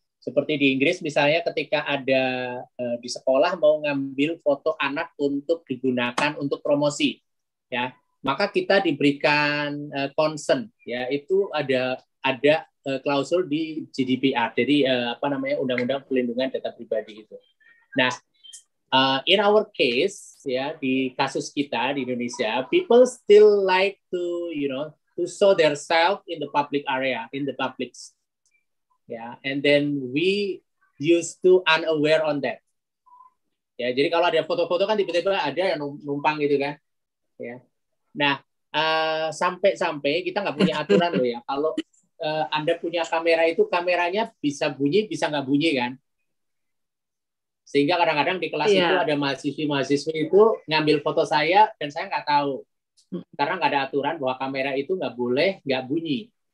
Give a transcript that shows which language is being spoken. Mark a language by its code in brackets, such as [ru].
[id] Seperti di Inggris misalnya ketika ada di sekolah mau ngambil foto anak untuk digunakan untuk promosi, ya maka kita diberikan consent, ya itu ada klausul di GDPR, jadi apa namanya undang-undang pelindungan data pribadi itu. [en] Nah, in our case [id] ya di kasus kita di Indonesia, [en] people still like to you know to show themselves in the public area, in the public. Ya, yeah, and then we used to unaware on that. [id] Ya, yeah, jadi kalau ada foto-foto kan tiba-tiba ada yang numpang gitu kan. Ya. Yeah. Nah, sampai-sampai kita nggak punya aturan loh ya. Kalau Anda punya kamera itu kameranya bisa bunyi, bisa nggak bunyi kan? Sehingga kadang-kadang di kelas yeah. itu ada mahasiswi-mahasiswi itu ngambil foto saya dan saya nggak tahu karena nggak ada aturan bahwa kamera itu nggak boleh nggak bunyi.